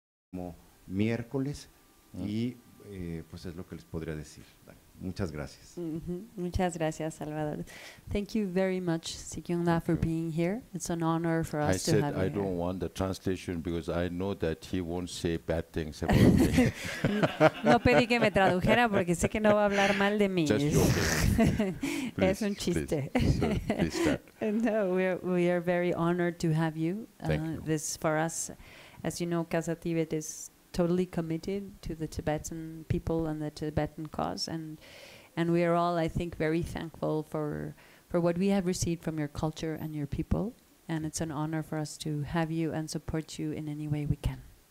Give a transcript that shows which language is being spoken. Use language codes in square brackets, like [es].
[es] como miércoles y pues es lo que les podría decir. Muchas gracias. Mm-hmm. Muchas gracias, Salvador. [en] Thank you very much, Sikyong Na, for being here. It's an honor for us to have you. I said I don't want the translation because I know that he won't say bad things about me. [es] No pedí que me tradujera porque sé que no va a hablar mal de mí. [en] Just joking. [es] Es un chiste. [en] Please start. No, we are very honored to have you. Thank you. This for us, as you know, Casa Tibet is totally committed to the Tibetan people and the Tibetan cause, and we are all, I think, very thankful for what we have received from your culture and your people, and it's an honor for us to have you and support you in any way we can.